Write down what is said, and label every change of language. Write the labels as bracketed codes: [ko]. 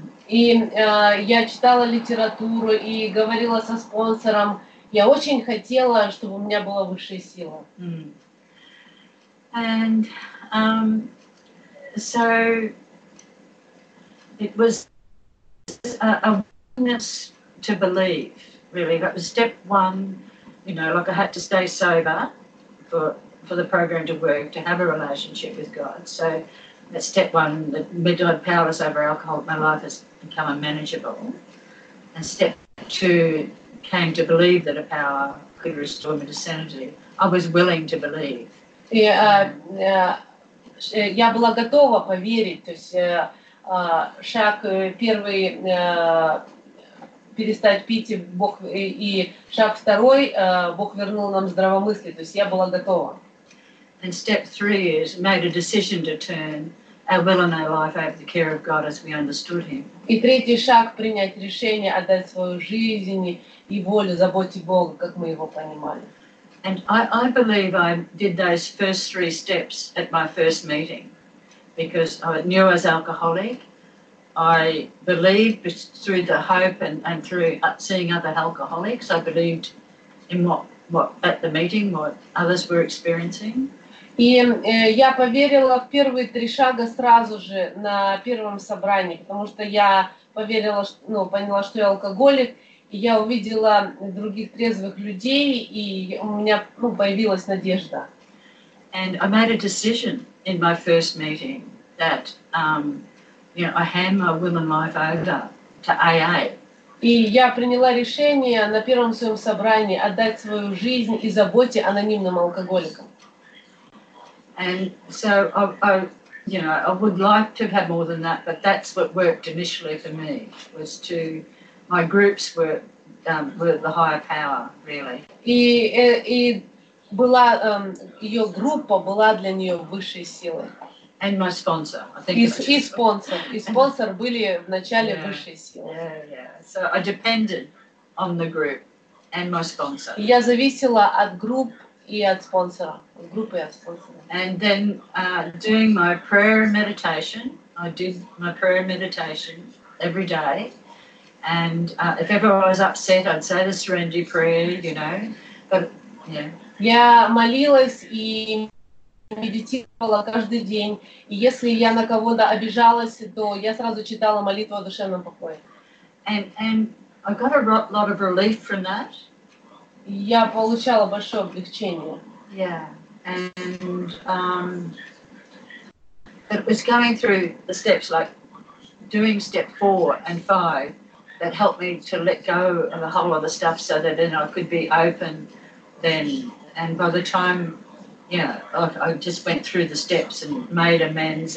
[ru] Я читала литературу и говорила со спонсором. Я очень хотела, чтобы у меня была высшая сила. [en] And so it was a willingness to believe, really. That was step one, you know, like I had to stay sober for the program to work, to have a relationship with God. So that's step one, that my God powers over alcohol, my life has become unmanageable. And step two came to believe that a power could restore me to sanity. I was willing to believe. [ru] Я была готова поверить, то есть шаг первый перестать пить, Бог, и шаг второй Бог вернул нам здравомыслие, то есть я была готова. [en] And step three is made a decision to turn our will and our life over the care of God as we understood Him. [ru] И третий шаг — принять решение отдать свою жизнь и волю, заботе Бога, как мы его понимали. [en] And I believe I did those first three steps at my first meeting because I knew I was alcoholic. I believed through the hope and through seeing other alcoholics, I believed in what at the meeting, what others were experiencing. [ru] И я поверила в первые три шага сразу же на первом собрании, потому что я поверила, поняла, что я алкоголик, и я увидела других трезвых людей, и у меня появилась надежда. [en] And I made a decision in my first meeting that I hand my will and life over to AA. [ru] И я приняла решение на первом своем собрании отдать свою жизнь и заботе анонимным алкоголикам. [en] And so I would like to have more than that, but that's what worked initially for me was to my groups were the higher power really. [ru] И была ее группа была для нее высшей силой. [en] And my sponsor, I think. [ru] И спонсор были в начале высшей силы. [en] Yeah. So I depended on the group and my sponsor. [ru] Я зависела от групп. И от спонсора, группы от спонсора. [en] And then doing my prayer and meditation. I did my prayer and meditation every day. And if ever I was upset, I'd say the Serenity Prayer, you know. But, yeah. [ru] Я молилась и медитировала каждый день. И если я на кого-то обижалась, то я сразу читала молитву о душевном покое. [en] And I got a lot of relief from that. [ru] Я получала большое облегчение. [en] Yeah. And it was going through the steps, like doing step four and five, that helped me to let go of a whole lot of stuff so that then I could be open then. And by the time, I just went through the steps and made amends.